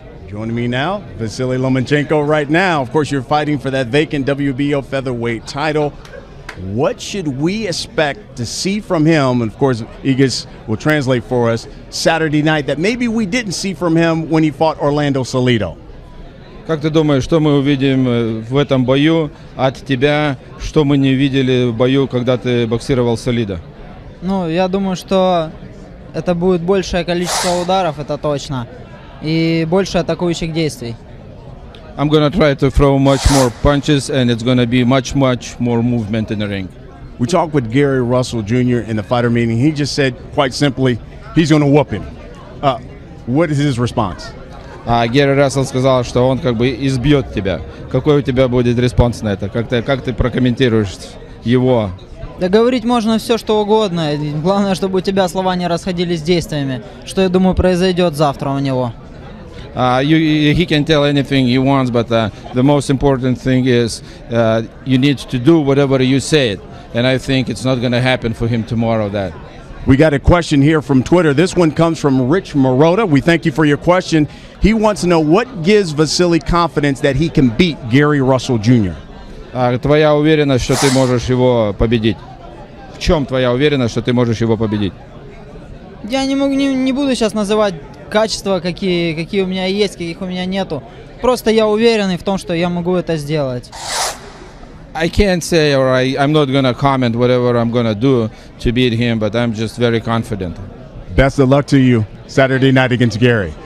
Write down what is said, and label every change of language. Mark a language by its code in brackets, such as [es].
[en] Joining me now, Василий Ломаченко right now. Of course, you're fighting for that vacant WBO featherweight title. What should we expect to see from him? And of course, Igas will translate for us Saturday night that maybe we didn't see from him when he fought Orlando Salido. [ru] Как ты думаешь, что мы увидим в этом бою от тебя, что мы не видели в бою, когда ты боксировал Солида? Ну, я думаю, что это будет большее количество ударов, это точно, и больше атакующих действий. [en] I'm gonna try to throw much more punches, and it's gonna be much more movement in the ring. We talked with Gary Russell Jr. in the fighter meeting. He just said, quite simply, he's gonna whoop him. What is his response? [ru] Гэри Рассел сказал, что он как бы избьет тебя. Какой у тебя будет респонс на это? Как ты прокомментируешь его? Да говорить можно все, что угодно. Главное, чтобы у тебя слова не расходились с действиями. Что, я думаю, произойдет завтра у него. [en] He can tell anything he wants, but the most important thing is you need to do whatever you say. And I think it's not going to happen for him tomorrow that. We got a question here from Twitter. This one comes from Rich Marota. We thank you for your question. He wants to know what gives Vasily confidence that he can beat Gary Russell Jr. [ru] Твоя уверенность, что ты можешь его победить? В чем твоя уверенность, что ты можешь его победить? Я не буду сейчас называть качества, какие у меня есть, каких у меня нету. Просто я уверенный в том, что я могу это сделать. [en] I can't say, or I'm not going to comment whatever I'm going to do to beat him, but I'm just very confident. Best of luck to you Saturday night against Gary.